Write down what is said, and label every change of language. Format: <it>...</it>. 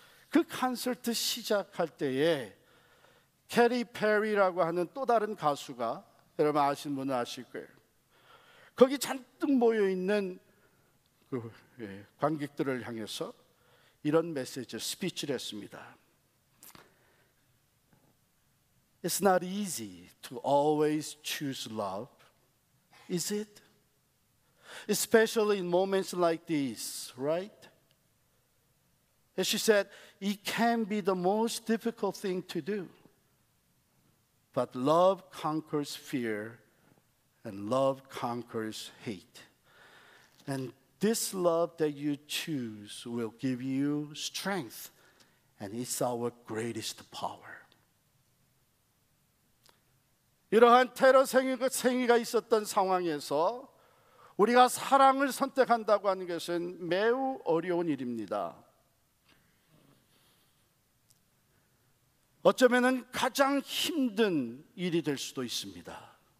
<ko>그 콘서트 시작할 때에 캐리 페리라고 하는 또 다른 가수가, 여러분 아시는 분은 아실 거예요, 거기 잔뜩 모여있는 그 관객들을 향해서 이런 메시지, 스피치를 했습니다.</ko> <en>It's not easy to always choose love, is it? Especially in moments like these, right? As she said, it can be the most difficult thing to do. But love conquers fear, and love conquers hate. And this love that you choose will give you strength, and it's our greatest power.</en> <ko>이러한 테러 생위가 있었던 상황에서 우리가 사랑을 선택한다고 하는 것은 매우 어려운 일입니다. 어쩌면 가장 힘든 일이 될 수도 있습니다.</ko>